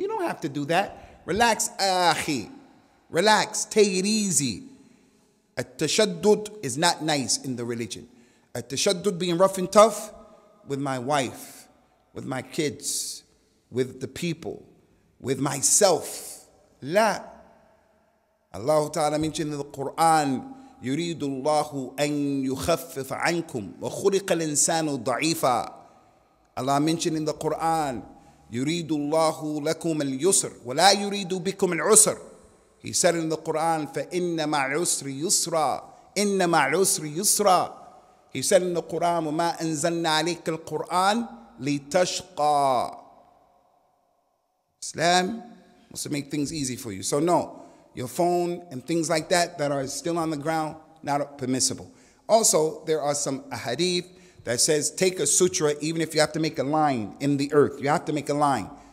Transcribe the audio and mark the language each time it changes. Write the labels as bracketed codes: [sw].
[en] You don't have to do that. Relax, akhi. Relax, take it easy. At-tashaddud is not nice in the religion. At-tashaddud, being rough and tough with my wife, with my kids, with the people, with myself. [ar] La. [en] Allah Ta'ala mentioned in the Quran, [ar] يُرِيدُ اللَّهُ أَن يُخَفِّفَ عَنْكُمْ وَخُلِقَ الْإِنسَانُ ضَعِيفًا. [en] Allah mentioned in the Quran, [ar] يُرِيدُ اللَّهُ لَكُمَ الْيُسْرِ وَلَا يُرِيدُ بِكُمَ الْعُسْرِ. [en] He said in the Quran, [ar] فَإِنَّمَا الْعُسْرِ يُسْرًا إِنَّمَا الْعُسْرِ يُسْرًا. [en] He said in the Quran, [ar] وَمَا أَنزَلْنَا عَلَيْكَ الْقُرْآنَ لِتَشْقَى. [en] Islam wants to make things easy for you. So no, your phone and things like that are still on the ground, not permissible. Also, there are some ahadith that says take a sutra even if you have to make a line in the earth. You have to make a line.